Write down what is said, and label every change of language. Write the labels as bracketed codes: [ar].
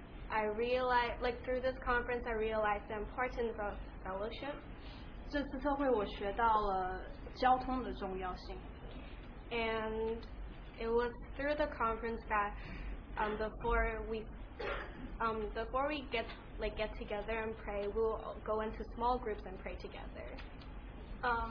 [en] I realize, like through this conference, I realized the importance of fellowship. [zh] 这次特会我学到了交通的重要性。 [en] And it was through the conference that, before we get together and pray, we'll go into small groups and pray together.